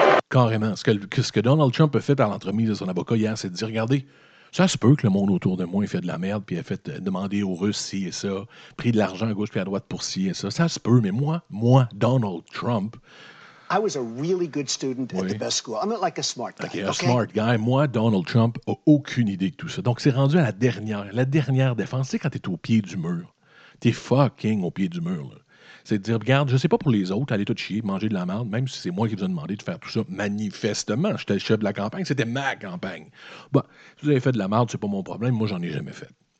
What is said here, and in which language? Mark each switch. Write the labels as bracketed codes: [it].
[fr] Carrément. Ce que Donald Trump a fait par l'entremise de son avocat hier, c'est de dire « regardez, ça se peut que le monde autour de moi ait fait de la merde puis ait fait demander aux Russes ci et ça, pris de l'argent à gauche puis à droite pour ci et ça. Ça se peut, mais moi, Donald Trump... » [en] I was a really good student at the best school. I'm not like a smart guy. Okay, smart guy. [fr] Moi, Donald Trump, a aucune idée de tout ça. Donc, c'est rendu à la dernière défense. Tu sais, quand t'es au pied du mur, t'es fucking au pied du mur, là. C'est de dire, regarde, je sais pas pour les autres, allez tout chier, manger de la merde, même si c'est moi qui vous ai demandé de faire tout ça. Manifestement, j'étais le chef de la campagne, c'était ma campagne. Bon, si vous avez fait de la merde, c'est pas mon problème, moi, j'en ai jamais fait.